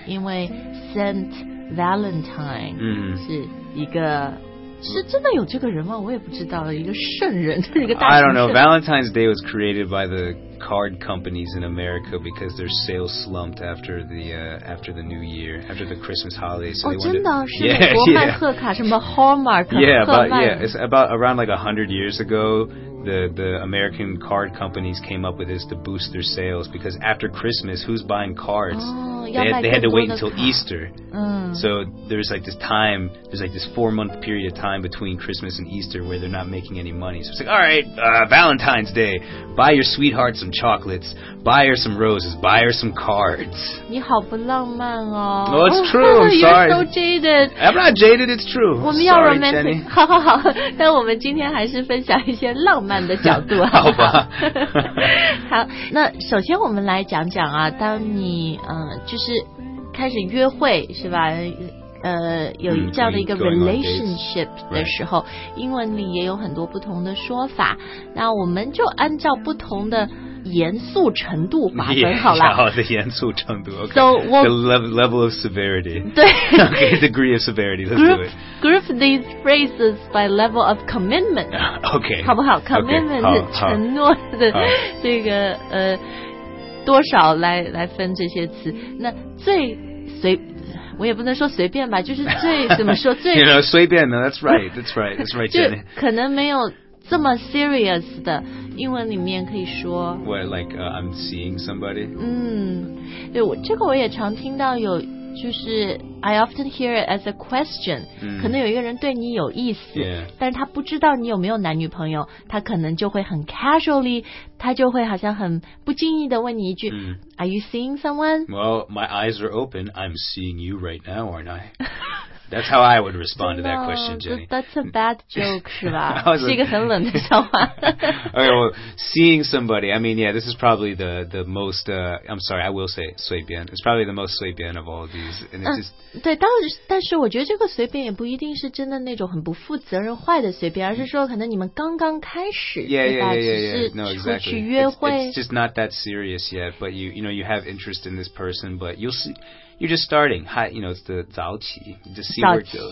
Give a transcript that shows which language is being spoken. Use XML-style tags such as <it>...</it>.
<zh>因为 Saint Valentine 是一个是真的有这个人吗？我也不知道，一个圣人，是一个大圣人。</zh> <en>I don't know. Valentine's Day was created by the card companies in America because their sales slumped after the New Year, after the Christmas holidays. So they wanted,</en> <zh>真的是美国麦克卡什么 Hallmark 赫曼。</zh> <en>It's about around like 100 years ago. The American card companies came up with this to boost their sales because after Christmas, who's buying cards? They had to wait until Easter. So there's like this time, there's like this 4-month period of time between Christmas and Easter where they're not making any money. So it's like, all right, Valentine's Day, buy your sweetheart some chocolates, buy her some roses, buy her some cards.</en> <zh>你好不浪漫哦。</zh> <en>Oh, it's true, I'm sorry. You're so jaded. I'm not jaded, it's true.</en> <zh>我们要 romantic. 好好好，但我们今天还是分享一些浪漫。慢的角度好吧好那首先我们来讲讲啊当你就是开始约会是吧有这样的一个 relationship 的时候、</zh> <en>right.</en> <zh>英文里也有很多不同的说法那我们就按照不同的严肃程度划分好了 yeah, 好的严肃程度 okay.</zh> <en>So, well, the level of severity</en> <zh>对</zh> <en>okay, degree of severity let's group these phrases by level of commitment okay</en> <zh>好不好 commitment</zh> <en>okay,</en> <zh>承诺的这个多少来分这些词那最随我也不能说随便吧就是最怎么说最</zh> <en>you know,</en> <zh>随便的</zh> <en>that's right Jenny</en> <zh>可能没有这么 serious 的英文里面可以说</zh> <en>What, like, I'm seeing somebody?</en> <zh>对我这个我也常听到有就是</zh> <en>I often hear it as a question</en> <zh>可能有一个人对你有意思、</zh> <en>yeah.</en> <zh>但他不知道你有没有男女朋友他可能就会很 casually 他就会好像很不经意的问你一句、</zh> <en>Are you seeing someone? Well, my eyes are open I'm seeing you right now, aren't I? That's how I would respond to that question, Jenny. That's a bad joke,</en> <zh>是吧？是一个很冷的笑话。</zh> <en>Okay, well, seeing somebody, I mean, yeah, this is probably the most, I'm sorry, I will say 随便. It's probably the most 随便 of all of these. And it's just,</en> <zh>对，但是我觉得这个随便也不一定是真的那种很不负责任坏的随便，而是说可能你们刚刚开始，对吧？只是出去约会。</zh> <en>It's just not that serious yet, but you know, you have interest in this person, but you'll see... You're just starting. Hi, you know, it's the 早起 Just see where it goes.</en>